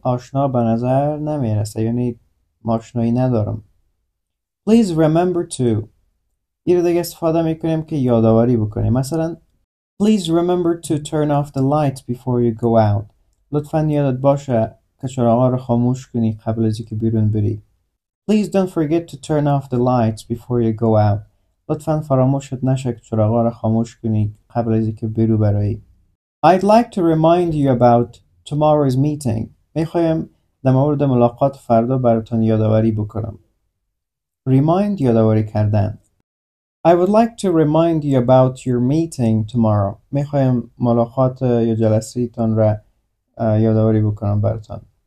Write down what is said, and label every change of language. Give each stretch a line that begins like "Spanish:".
Persian: آشنا به نظر نمیرسه یعنی آشنایی ندارم.
English: Please remember to.
Persian: یه دیگه استفاده میکنیم که یادآوری بکنیم.
English: مثلا Please remember to turn off the light before you go out.
Persian: لطفا یادت باشه که چراغ رو خاموش کنی قبل از اینکه بیرون بری.
English: Please don't forget to turn off the lights before you go out.
Persian: لطفا فراموشت نشه که چراغ رو خاموش کنی قبل از اینکه بیرون بری.
English: I'd like to remind you about tomorrow's meeting.
Persian: میخوایم در مورد ملاقات فردا براتون یادآوری بکنم. Remind یادآوری کردن.
English: I would like to remind you about your meeting tomorrow.
Persian: میخوایم ملاقات یا جلسه‌تون را یادآوری بکنم براتون.